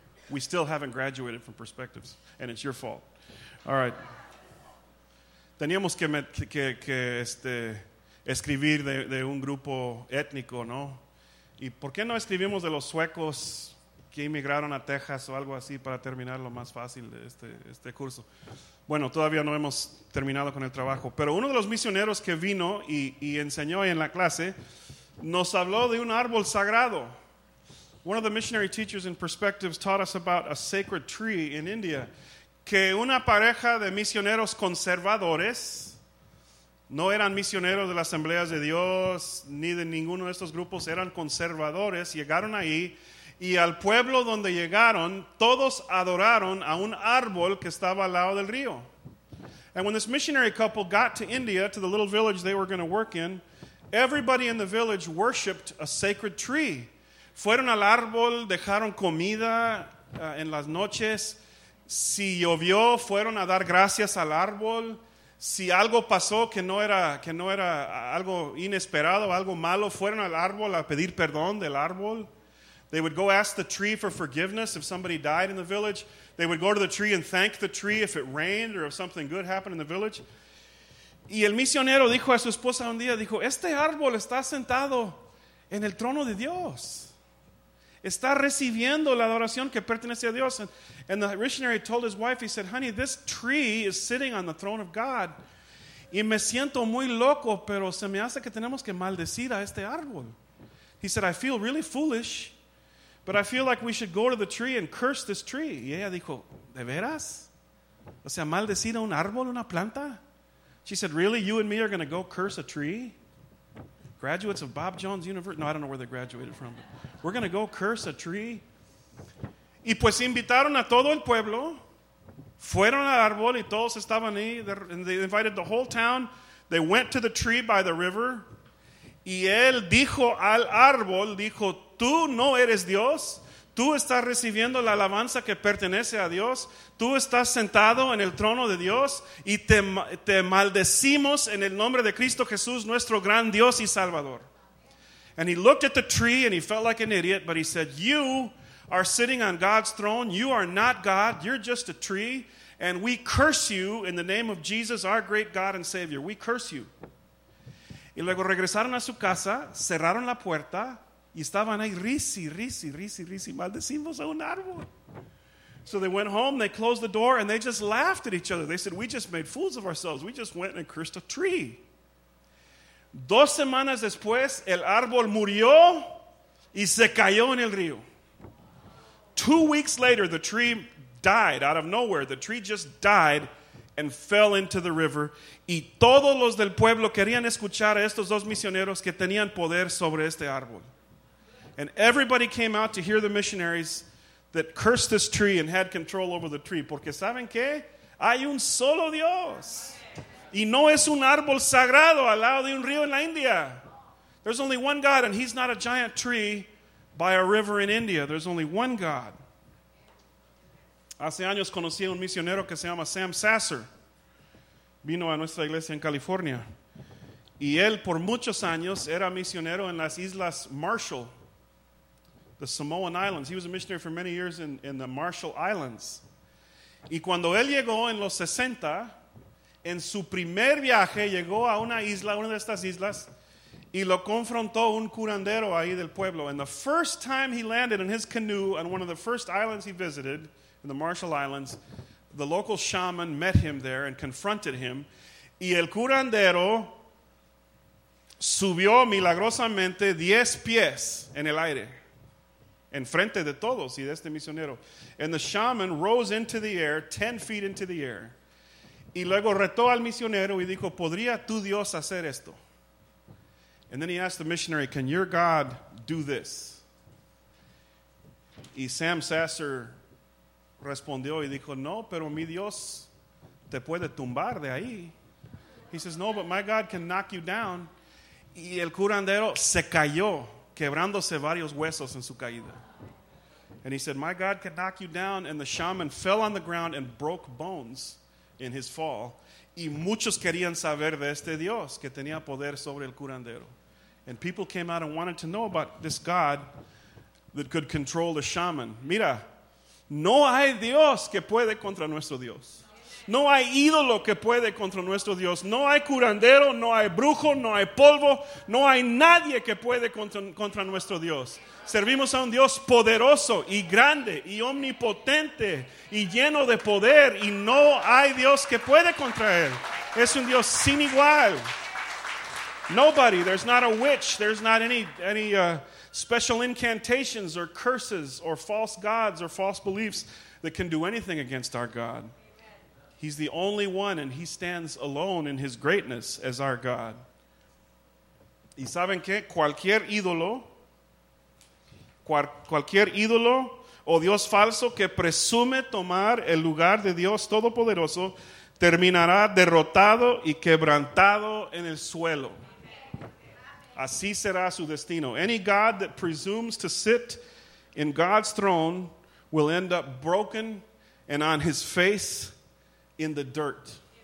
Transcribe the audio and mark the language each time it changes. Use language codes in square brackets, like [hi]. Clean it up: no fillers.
[en] We still haven't graduated from perspectives, and it's your fault. All right. [es] Teníamos que escribir de un grupo étnico, ¿no? ¿Y por qué no escribimos de los suecos que emigraron a Texas o algo así para terminar lo más fácil de este curso? Bueno, todavía no hemos terminado con el trabajo. Pero uno de los misioneros que vino y enseñó en la clase nos habló de un árbol sagrado. [en] One of the missionary teachers in Perspectives taught us about a sacred tree in India. [es] Que una pareja de misioneros conservadores, no eran misioneros de las Asambleas de Dios, ni de ninguno de estos grupos, eran conservadores, llegaron ahí, y al pueblo donde llegaron, todos adoraron a un árbol que estaba al lado del río. [en] And when this missionary couple got to India, to the little village they were going to work in, everybody in the village worshipped a sacred tree. [es] Fueron al árbol, dejaron comida en las noches. Si llovió, fueron a dar gracias al árbol. Si algo pasó que no era algo inesperado, algo malo, fueron al árbol a pedir perdón del árbol. [en] They would go ask the tree for forgiveness if somebody died in the village. They would go to the tree and thank the tree if it rained or if something good happened in the village. [es] Y el misionero dijo a su esposa un día, dijo, este árbol está sentado en el trono de Dios. Está recibiendo la adoración que pertenece a Dios. [en] And the missionary told his wife, he said, honey, this tree is sitting on the throne of God. [es] Y me siento muy loco, pero se me hace que tenemos que maldecir a este árbol. [en] He said, I feel really foolish, but I feel like we should go to the tree and curse this tree. [es] Y ella dijo, ¿de veras? O sea, ¿maldecir a un árbol, una planta? [en] She said, really, you and me are going to go curse a tree? Graduates of Bob Jones University. No, I don't know where they graduated from. We're going to go curse a tree. [es] Y pues invitaron a todo el pueblo. Fueron al árbol y todos estaban ahí. [en] And they invited the whole town. They went to the tree by the river. [es] Y él dijo al árbol, dijo, tú no eres Dios. Tú estás recibiendo la alabanza que pertenece a Dios. Tú estás sentado en el trono de Dios. Y te maldecimos en el nombre de Cristo Jesús, nuestro gran Dios y Salvador. [en] And he looked at the tree and he felt like an idiot. But he said, you are sitting on God's throne. You are not God. You're just a tree. And we curse you in the name of Jesus, our great God and Savior. We curse you. [es] Y luego regresaron a su casa, cerraron la puerta. Y estaban ahí, risi, risi, risi, risi, maldecimos a un árbol. [en] So they went home, they closed the door, and they just laughed at each other. They said, we just made fools of ourselves. We just went and cursed a tree. [es] 2 semanas después, el árbol murió y se cayó en el río. [en] 2 weeks later, the tree died out of nowhere. The tree just died and fell into the river. [es] Y todos los del pueblo querían escuchar a estos dos misioneros que tenían poder sobre este árbol. [en] And everybody came out to hear the missionaries that cursed this tree and had control over the tree. [es] Porque saben que hay un solo Dios. Y no es un árbol sagrado al lado de un río en la India. [en] There's only one God, and he's not a giant tree by a river in India. There's only one God. [es] Hace años conocí a un misionero que se llama Sam Sasser. Vino a nuestra iglesia en California. Y él por muchos años era misionero en las Islas Marshall, the Samoan Islands. [en] He was a missionary for many years in the Marshall Islands. [es] Y cuando él llegó en los 60, en su primer viaje, llegó a una isla, una de estas islas, y lo confrontó un curandero ahí del pueblo. [en] And the first time he landed in his canoe on one of the first islands he visited, in the Marshall Islands, the local shaman met him there and confronted him. [es] Y el curandero subió milagrosamente 10 pies en el aire. Enfrente de todos y de este misionero. [en] And the shaman rose into the air, 10 feet into the air. [es] Y luego retó al misionero y dijo, ¿podría tu Dios hacer esto? [en] And then he asked the missionary, can your God do this? [es] Y Sam Sasser respondió y dijo, no, pero mi Dios te puede tumbar de ahí. [en] He says, no, but my God can knock you down. [es] Y el curandero se cayó, quebrándose varios huesos en su caída. [en] And he said, my God can knock you down. And the shaman fell on the ground and broke bones in his fall. [es] Y muchos querían saber de este Dios que tenía poder sobre el curandero. [en] And people came out and wanted to know about this God that could control the shaman. [es] Mira, no hay Dios que puede contra nuestro Dios. No hay ídolo que puede contra nuestro Dios. No hay curandero, no hay brujo, no hay polvo. No hay nadie que puede contra nuestro Dios. Servimos a un Dios poderoso y grande y omnipotente y lleno de poder. Y no hay Dios que puede contra Él. Es un Dios sin igual. [en] Nobody. There's not a witch. There's not any special incantations or curses or false gods or false beliefs that can do anything against our God. He's the only one, and he stands alone in his greatness as our God. [es] ¿Y saben qué? Cualquier ídolo o Dios falso que presume tomar el lugar de Dios Todopoderoso terminará derrotado y quebrantado en el suelo. Así será su destino. [en] Any God that presumes to sit in God's throne will end up broken and on his face in the dirt.